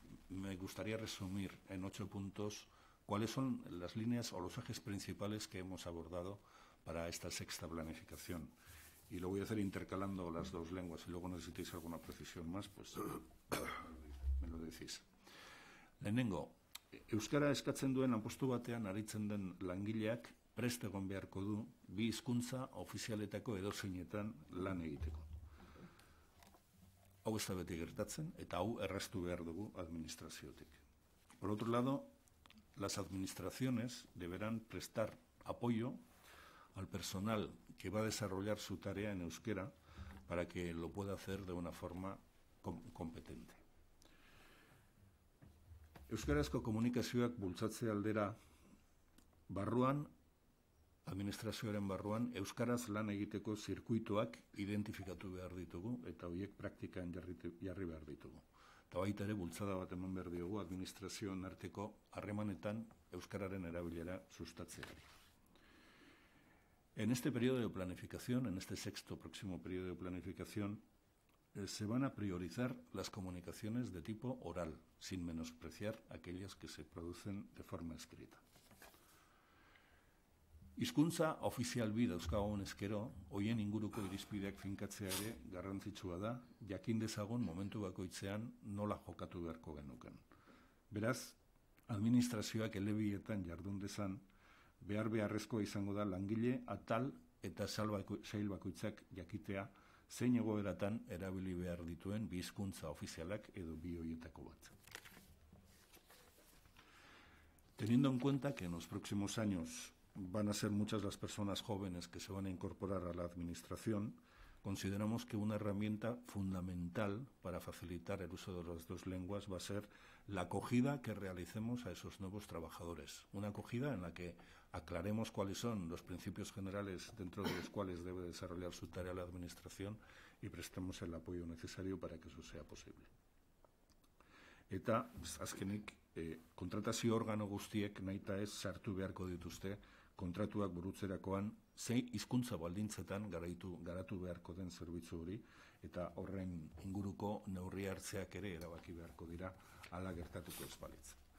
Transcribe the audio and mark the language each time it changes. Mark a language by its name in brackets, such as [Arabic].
[Spanish] Me gustaría resumir en 8 puntos cuáles son las líneas o los ejes principales que hemos abordado para esta sexta planificación. Y lo voy a hacer intercalando las dos lenguas. Si luego necesitáis alguna precisión más, pues me lo decís. [Basque] Lehenengo, euskara eskatzen duen lanpostu batean aritzen den langileak preste egon beharko du bi hizkuntza ofizialetako edozeinetan lan egiteko. Hau ez da beti gertatzen eta hau erraztu behar dugu administraziotik. [Spanish] Por otro lado, las administraciones deberán prestar apoyo al personal que va a desarrollar su tarea en euskera para que lo pueda hacer de una forma competente. [Basque] Euskarazko komunikazioak bultzatze aldera barruan, administrazioaren barruan, euskaraz lan egiteko zirkuitoak identifikatu behar ditugu eta horiek praktikan jarri behar ditugu. Eta baita ere bultzada bat eman behar diogu administrazioen arteko harremanetan euskararen erabilera sustatzeari. [Spanish] En este periodo de planificación, en este sexto próximo periodo de planificación, se van a priorizar las comunicaciones de tipo oral, sin menospreciar aquellas que se producen de forma escrita. [Basque] Hizkuntza ofizial bi dauzkagun ezkero, hoien inguruko irizpideak finkatzea ere garrantzitsua da, jakin dezagun momentu bakoitzean nola jokatu beharko genuken. Beraz, administrazioak elebietan jardun dezan, behar beharrezkoa izango da langile, atal eta sail bakoitzak jakitea zein egoeratan erabili behar dituen bi hizkuntza ofizialak edo bi hoietako bat. [Spanish] Teniendo en cuenta que en los próximos años van a ser muchas las personas jóvenes que se van a incorporar a la administración, consideramos que una herramienta fundamental para facilitar el uso de las dos lenguas va a ser la acogida que realicemos a esos nuevos trabajadores. Una acogida en la que aclaremos cuáles son los principios generales dentro de los cuales debe desarrollar su tarea la administración y prestemos el apoyo necesario para que eso sea posible. [Basque] Eta, azkenik, kontratazio organo guztiek nahita ez sartu beharko dituzte kontratuak burutzerakoan zein hizkuntza baldintzetan garatu beharko den zerbitzu hori eta horren inguruko neurri hartzeak ere erabaki beharko dira hala gertatuko ez balitz.